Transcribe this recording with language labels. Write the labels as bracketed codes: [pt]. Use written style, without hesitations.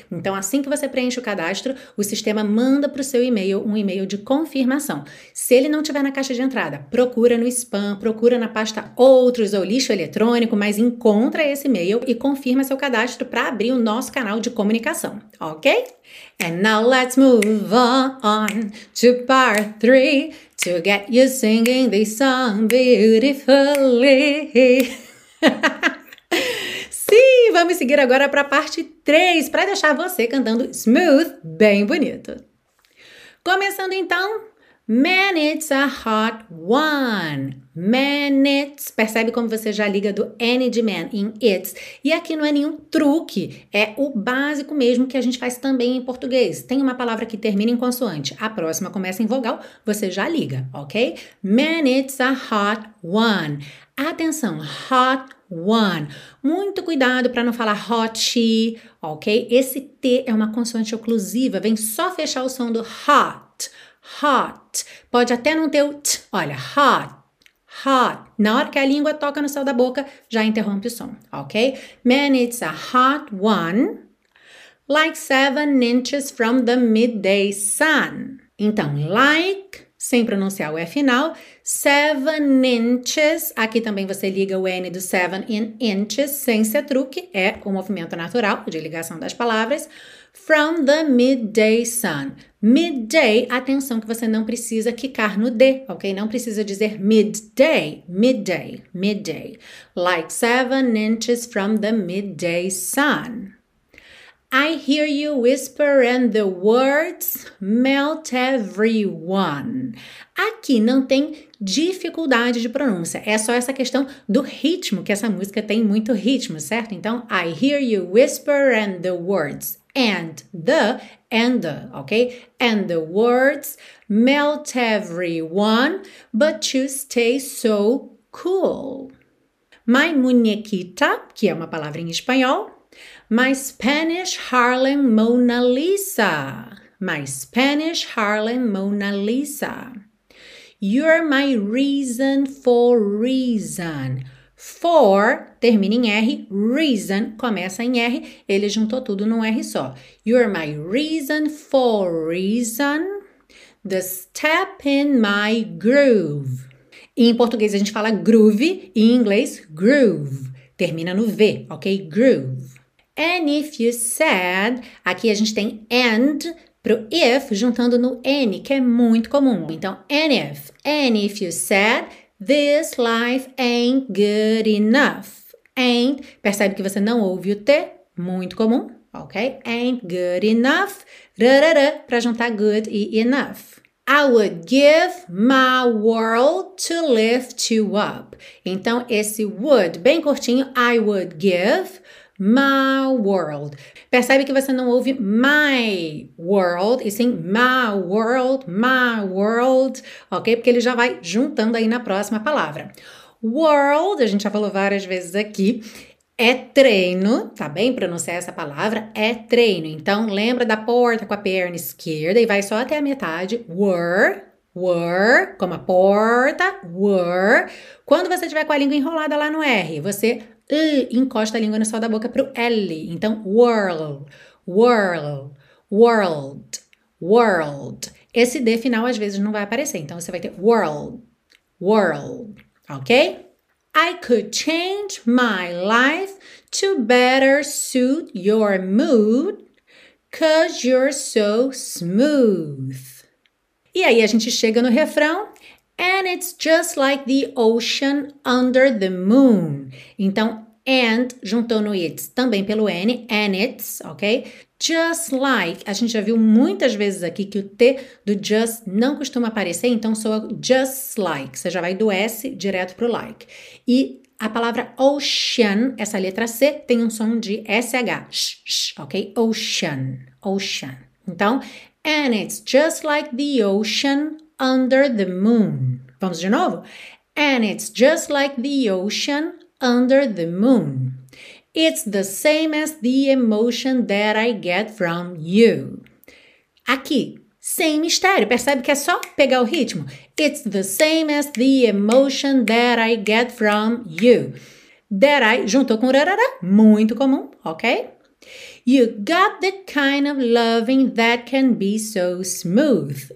[pt] Então, assim que você preenche o cadastro, o sistema manda para o seu e-mail um e-mail de confirmação. Se ele não estiver na caixa de entrada, procura no spam, procura na pasta outros ou lixo eletrônico, mas encontra esse e-mail e confirma seu cadastro para abrir o nosso canal de comunicação, ok? [en] And now let's move on to part 3. To get you singing this song beautifully. Sim, [pt] vamos seguir agora para a parte 3, para deixar você cantando smooth bem bonito. Começando então, [en] man, it's a hot one. [pt] Man, it's. Percebe como você já liga do N de man em it's. E aqui não é nenhum truque, é o básico mesmo que a gente faz também em português. Tem uma palavra que termina em consoante, a próxima começa em vogal, você já liga, ok? [en] Man, it's a hot one. Atenção, hot one. [pt] Muito cuidado para não falar hot, ok? Esse T é uma consoante oclusiva, vem só fechar o som do hot, hot. Pode até não ter o T, olha, hot. Hot. Na hora que a língua toca no céu da boca, já interrompe o som, ok? [en] Man, it's a hot one, like 7 inches from the midday sun. [pt] Então, like, sem pronunciar o E final, 7 inches, aqui também você liga o N do 7 in inches, sem ser truque, é o movimento natural de ligação das palavras, [en] from the midday sun. [pt] Midday, atenção que você não precisa quicar no D, ok? Não precisa dizer midday, midday, midday. [en] Like 7 inches from the midday sun. I hear you whisper and the words melt everyone. [pt] Aqui não tem dificuldade de pronúncia, é só essa questão do ritmo, que essa música tem muito ritmo, certo? [en] Então, I hear you whisper and the words. And the, ok? And the words melt everyone, but you stay so cool. [pt] My muñequita, que é uma palavra em espanhol. [en] My Spanish Harlem Mona Lisa. My Spanish Harlem Mona Lisa. You're my reason for reason. [pt] For, termina em R, reason, começa em R, ele juntou tudo num R só. [en] You're my reason for reason, the step in my groove. [pt] Em português a gente fala groove, em inglês groove, termina no V, ok? Groove. [en] And if you said, [pt] aqui a gente tem and pro if juntando no N, que é muito comum. [en] Então, and if you said... This life ain't good enough. [pt] Ain't, percebe que você não ouve o T, muito comum, ok? Ain't good enough, rarara, para juntar good e enough. [en] I would give my world to lift you up. [pt] Então, esse [en] would, [pt] bem curtinho, [en] I would give my world. [pt] Percebe que você não ouve my world, e sim my world, ok? Porque ele já vai juntando aí na próxima palavra. World, a gente já falou várias vezes aqui, é treino, tá bem? Pronunciar essa palavra é treino. Então, lembra da porta com a perna esquerda e vai só até a metade. Were, como a porta, were. Quando você tiver com a língua enrolada lá no R, você... encosta a língua no céu da boca pro L. Então, whirl, whirl, world, world. Esse D final às vezes não vai aparecer. Então, você vai ter world, world, ok? [en] I could change my life to better suit your mood, 'cause you're so smooth. [pt] E aí, a gente chega no refrão. [en] And it's just like the ocean under the moon. [pt] Então, and juntou no it's, também pelo N, and it's, ok? Just like, a gente já viu muitas vezes aqui que o T do just não costuma aparecer, então soa just like, você já vai do S direto pro like. E a palavra ocean, essa letra C, tem um som de SH, sh, sh, ok? [en] Ocean, ocean. Então, and it's just like the ocean under the moon. [pt] Vamos de novo? [en] And it's just like the ocean under the moon. It's the same as the emotion that I get from you. [pt] Aqui, sem mistério, percebe que é só pegar o ritmo. [en] It's the same as the emotion that I get from you. [pt] That I, juntou com rarara, muito comum, ok? [en] You got the kind of loving that can be so smooth.